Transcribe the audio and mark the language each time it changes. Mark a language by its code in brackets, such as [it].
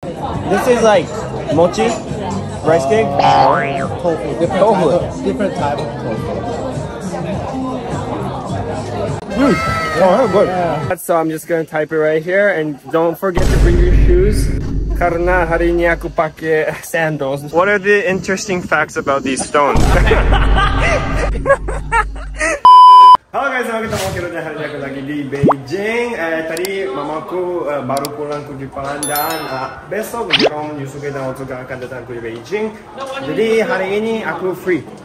[en] This is like mochi, rice cake, tofu. Different type of tofu. Oh, good. Yeah. So I'm just gonna type it right here, and don't forget to bring your shoes. [id] Karena hari ini aku pakai sandals. [en] What are the interesting facts about these stones? [id] Halo guys, selamat datang ke Tomohiro, hari ini aku lagi di Beijing. Tadi mamaku baru pulang kunjungi Palandan. Besok Jong, Yusuke dan Otsuka akan datang ke Beijing. Jadi hari ini aku free.